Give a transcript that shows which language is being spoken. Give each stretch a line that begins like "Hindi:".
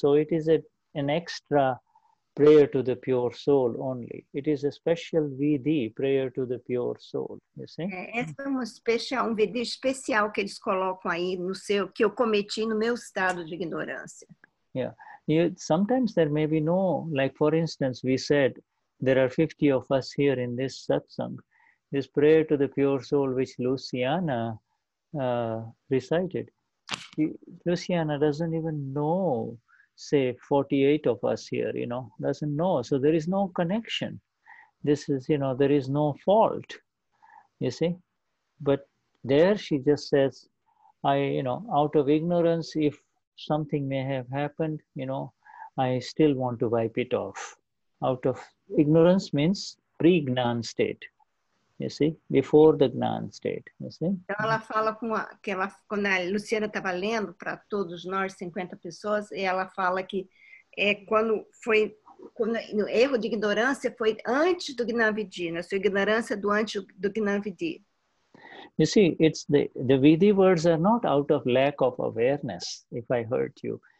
English: So, it is an extra prayer to the pure soul only. It is a special vidhi, prayer to the pure soul. You see?
Portuguese: Essa é uma especial, um vidhi especial que eles colocam aí no seu, que eu cometi no meu estado de ignorância.
English: Yeah. Sometimes there may be no, like for instance, we said there are 50 of us here in this satsang. This prayer to the pure soul which Luciana recited. Luciana doesn't even know, say 48 of us here, you know, doesn't know. So there is no connection. This is, you know, there is no fault, you see. But there she just says, I, you know, out of ignorance, if something may have happened, you know, I still want to wipe it off. Out of ignorance means pre-gnan state, you see, before the gnan state, you see.
Portuguese: Ela fala com aquela, quando a Luciana estava lendo para todos nós, 50 pessoas, e ela fala que é quando foi, no erro de ignorância foi antes do gnan vidhi, na sua ignorância do antes do gnan vidhi.
English: You see, it's the vidhi words are not out of lack of awareness, if I hurt you.